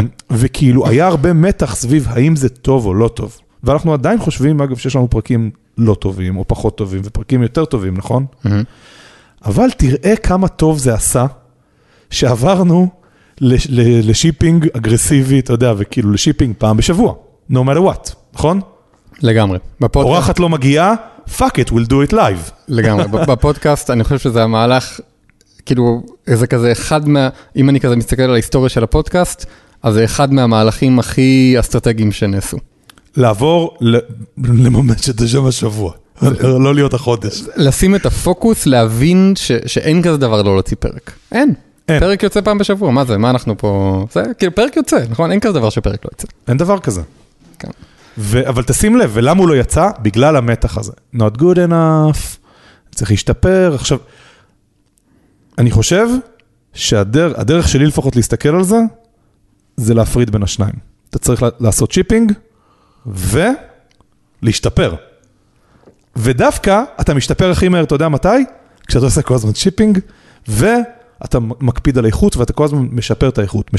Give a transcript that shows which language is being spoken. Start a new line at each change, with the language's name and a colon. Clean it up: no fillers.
Hebrew: וכאילו היה הרבה מתח סביב האם זה טוב או לא טוב. ואנחנו עדיין חושבים, אגב, שיש לנו פרקים לא טובים או פחות טובים ופרקים יותר טובים, נכון? אבל תראה כמה טוב זה עשה שעברנו לשיפינג אגרסיבי, אתה יודע, וכאילו לשיפינג פעם בשבוע.
English: No matter what,
Hebrew: נכון? לגמרי. אורחת לא מגיעה,
English: fuck it, we'll do it live.
Hebrew: לגמרי. בפודקאסט אני חושב שזה המהלך, כאילו, זה כזה אחד מה, אם אני כזה מסתכל על ההיסטוריה של הפודקאסט, אז זה אחד מהמהלכים הכי אסטרטגיים שנעשו. לעבור לממש את השם השבוע, לא להיות החודש. לשים את הפוקוס, להבין שאין כזה דבר לא להוציא פרק. אין. פרק יוצא פעם בשבוע, מה זה? מה אנחנו פה? זה, כאילו, פרק יוצא, נכון? אין כזה דבר שפרק לא יצא. אין דבר כזה. כן. אבל תשים לב, ולמה הוא לא יצא? בגלל המתח הזה.
English: Not good enough,
Hebrew: צריך להשתפר. עכשיו, אני חושב שהדרך שלי לפחות להסתכל על זה, זה להפריד בין השניים. אתה צריך לעשות שיפינג ולהשתפר. ודווקא אתה משתפר הכי מהר, אתה יודע מתי? כשאתה עושה כל הזמן שיפינג, ואתה מקפיד על איכות, ואתה כל הזמן משפר את האיכות.